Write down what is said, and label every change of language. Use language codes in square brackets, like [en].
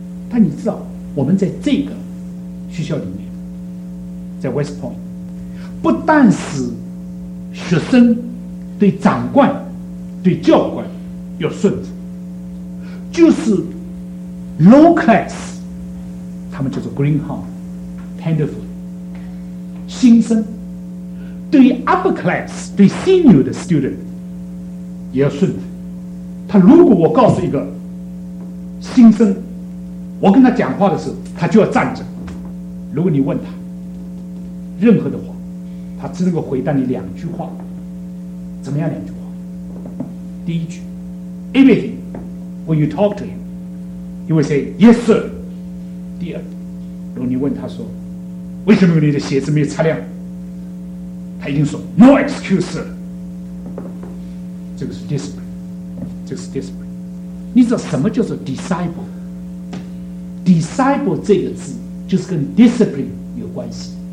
[zh] 但你知道，我们在这个学校里面，在 West Point， 不但是学生对长官、对教官要顺服，就是 low class， 他们叫做 greenhorn tenderfoot 新生，对 upper class 对 senior 的 student 也要顺服。他如果我告诉一个新生，我跟他讲话的时候，他就要站着。如果你问他任何的话，他只能够回答你两句话。怎么样两句话？第一句 [en] everything when you talk to him he will say yes sir。 [zh] 第二，如果你问他说为什么你的鞋子没有擦亮，他一定说 [en] no excuse sir。 [zh] 这个是 discipline， 这个是 discipline。你知道什么叫做 disciple？ disciple 这个字就是跟 discipline 有关系。